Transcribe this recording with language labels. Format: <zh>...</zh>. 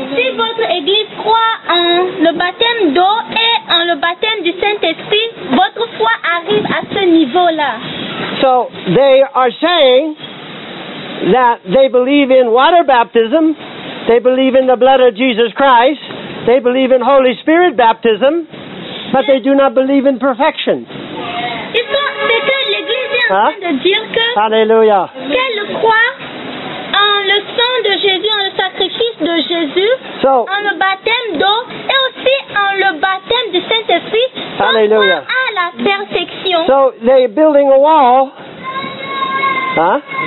<fr>Si votre église croit en le baptême d'eau et en le baptême du Saint-Esprit, votre foi arrive à ce niveau-là.</fr> <en>So, they are saying that they believe in water baptism, they believe in the blood of Jesus Christ, they believe in Holy Spirit baptism, but they do not believe in perfection.</en> <fr>C'est que l'Église vient de dire que</fr> <en>Hallelujah.</en> <fr>Qu'elle croit en le sang de Jésus, en le sacrifice de Jésus,</fr> <en>so,</en> <fr>en le baptême d'eau et aussi en le baptême du Saint-Esprit,</fr> <en>Hallelujah.</en> <fr>Croit à la perfection.</fr> <en>So they're building a wall, huh?</en>